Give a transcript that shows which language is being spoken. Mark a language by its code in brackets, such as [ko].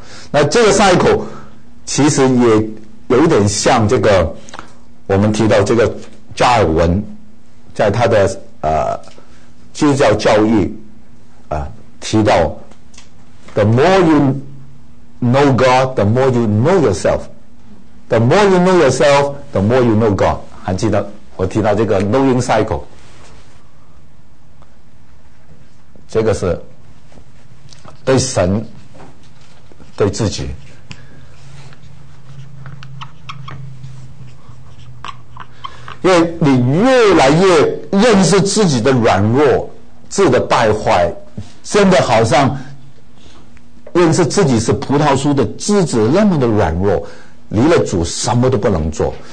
[zh] 那这个 cycle 其实也有点像这个，我们提到这个加尔文，在他的基督教教义啊。提到 [en] The more you know God, the more you know yourself. The more you know yourself, the more you know God. [zh] 还记得我提到这个 knowing cycle， 这个是对神对自己，因为你越来越认识自己的软弱，自己的败坏，真的好像认识自己是葡萄树的枝子那么的软弱，离了主什么都不能做。